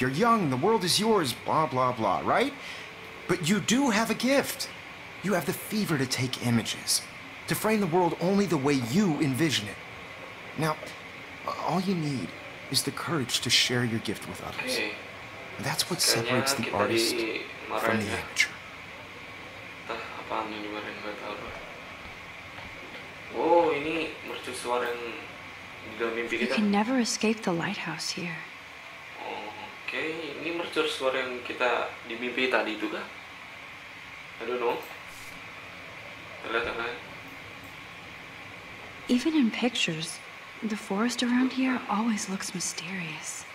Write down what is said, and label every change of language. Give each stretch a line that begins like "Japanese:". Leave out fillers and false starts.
English: You're young, the world is yours, blah, blah, blah, right? But you do have a gift. You have the fever to take images, to frame the world only the way you envision it. Now, all you need is the courage to share your gift with others. Hey. That's what separates the artist from the amateur.
Indonesian: Tah, apaan ini baru yang gue tau bro. Oh, ini mercusuar yang di dalam mimpi kita.
English: You can never escape the lighthouse here.
Indonesian: Oke, ini mercusuar yang kita di mimpi tadi itu kah?
English: I don't know.
Indonesian: Terlihat-lihat.
English: Even in pictures, the forest around here always looks mysterious.